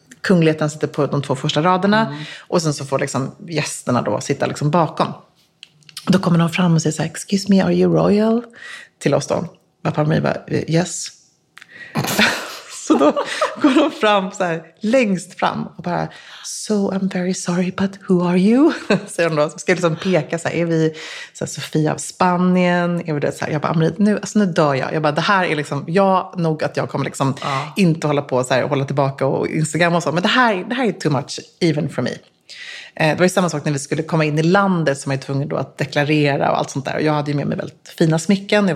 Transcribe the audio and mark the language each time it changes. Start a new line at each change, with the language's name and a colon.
Swedish: Kungligheten sitter på de 2 första raderna. Mm. Och sen så får liksom gästerna då sitta liksom bakom. Då kommer de fram och säger så här,
English: excuse me, are you royal?
Swedish: Till oss då. Pappa och mig bara, yes. Så då går de fram så här, längst fram. Och bara,
English: so I'm very sorry, but who are you?
Swedish: Säger de då. Så ska liksom peka så här, är vi så här, Sofia av Spanien? Är vi det? Så här, jag bara, nu dör jag. Jag bara, det här är liksom, jag kommer liksom inte hålla på så här, och hålla tillbaka och Instagram och så. Men det här är
English: too much, even for me.
Swedish: Det var ju samma sak när vi skulle komma in i landet, som jag var tvungen då att deklarera och allt sånt där. Och jag hade ju med mig väldigt fina smycken.